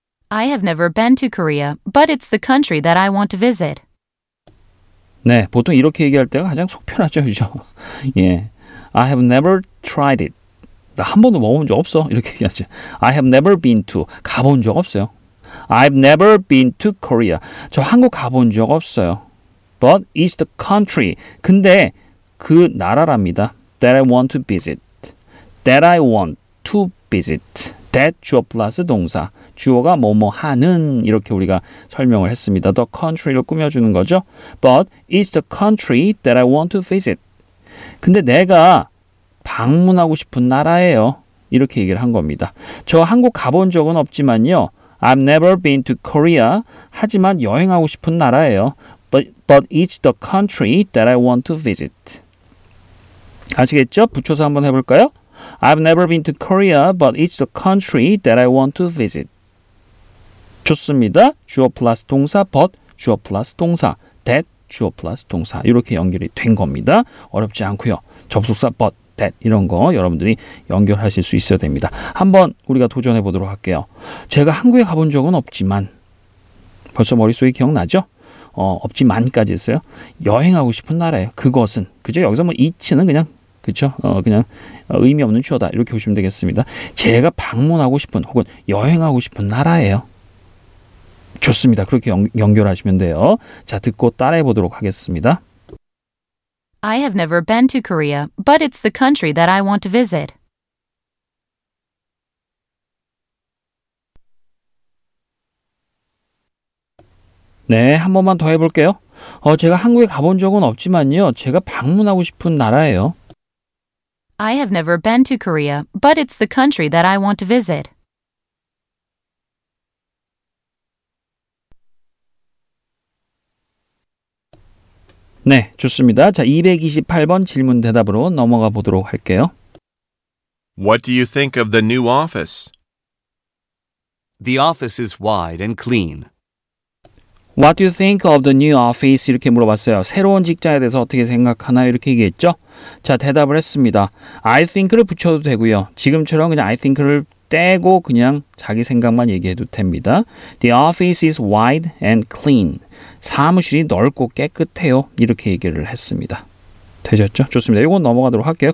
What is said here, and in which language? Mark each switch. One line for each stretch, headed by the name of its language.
English: I have never been to Korea, but it's the country that I want to visit.
Korean: 네, 보통 이렇게 얘기할 때가 가장 속 편하죠, 그죠?
English: 예. I have never tried it.
Korean: 나 한 번도 먹어본 적 없어. 이렇게 얘기하죠.
English: I have never been to.
Korean: 가본 적 없어요.
English: I've never been to Korea.
Korean: 저 한국 가본 적 없어요.
English: But it's the country.
Korean: 근데 그 나라랍니다.
English: That I want to visit. That I want to visit.
Korean: That 주어 플러스 동사. 주어가 뭐뭐 하는 이렇게 우리가 설명을 했습니다. The country를 꾸며주는 거죠.
English: But it's the country that I want to visit.
Korean: 근데 내가 방문하고 싶은 나라예요. 이렇게 얘기를 한 겁니다. 저 한국 가본 적은 없지만요.
English: I've never been to Korea.
Korean: 하지만 여행하고 싶은 나라예요.
English: But it's the country that I want to visit.
Korean: 아시겠죠? 붙여서 한번 해볼까요?
English: I've never been to Korea, but it's the country that I want to visit.
Korean: 좋습니다. 주어 플러스 동사,
English: but
Korean: 주어 플러스 동사, that 주어 플러스 동사 이렇게 연결이 된 겁니다. 어렵지 않고요. 접속사 but, that 이런 거 여러분들이 연결하실 수 있어야 됩니다. 한번 우리가 도전해 보도록 할게요. 제가 한국에 가본 적은 없지만, 벌써 머릿속에 기억나죠? 없지만까지 했어요. 여행하고 싶은 나라예요. 그것은. 그죠? 여기서 뭐 it는 그냥 그렇죠? 그냥 의미 없는 주어다. 이렇게 보시면 되겠습니다. 제가 방문하고 싶은 혹은 여행하고 싶은 나라예요. 좋습니다. 그렇게 연결하시면 돼요. 자, 듣고 따라해 보도록 하겠습니다.
English: I have never been to Korea, but it's the country that I want to visit.
Korean: (웃음) 네, 한 번만 더 해볼게요. 제가 한국에 가본 적은 없지만요. 제가 방문하고 싶은 나라예요.
English: I have never been to Korea, but it's the country that I want to visit.
Korean: 네, 좋습니다. 자, 228번 질문 대답으로 넘어가 보도록 할게요.
English: What do you think of the new office? The office is wide and clean. What do you think of the new office?
Korean: 이렇게 물어봤어요. 새로운 직장에 대해서 어떻게 생각하나요? 이렇게 얘기했죠. 자, 대답을 했습니다. I think를 붙여도 되고요. 지금처럼 그냥 I think를 떼고 그냥 자기 생각만 얘기해도 됩니다.
English: The office is wide and clean.
Korean: 사무실이 넓고 깨끗해요. 이렇게 얘기를 했습니다. 되셨죠? 좋습니다. 이건 넘어가도록 할게요.